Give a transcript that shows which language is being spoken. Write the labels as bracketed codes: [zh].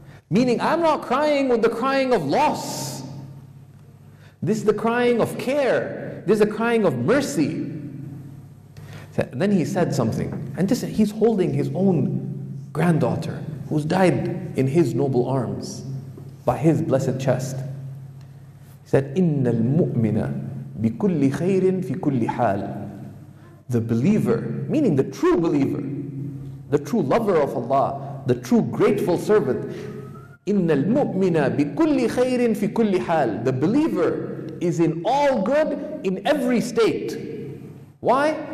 [en] Meaning, I'm not crying with the crying of loss. This is the crying of care. This is the crying of mercy. And then he said something. And just, he's holding his own granddaughter, who's died in his noble arms, by his blessed chest. He said, [ar] إِنَّ الْمُؤْمِنَ بِكُلِّ خَيْرٍ فِي كُلِّ حَالٍ. [en] The believer, meaning the true believer, the true lover of Allah, the true grateful servant, [ar] إِنَّ الْمُؤْمِنَ بِكُلِّ خَيْرٍ فِي كُلِّ حَالٍ. [en] The believer is in all good in every state. Why?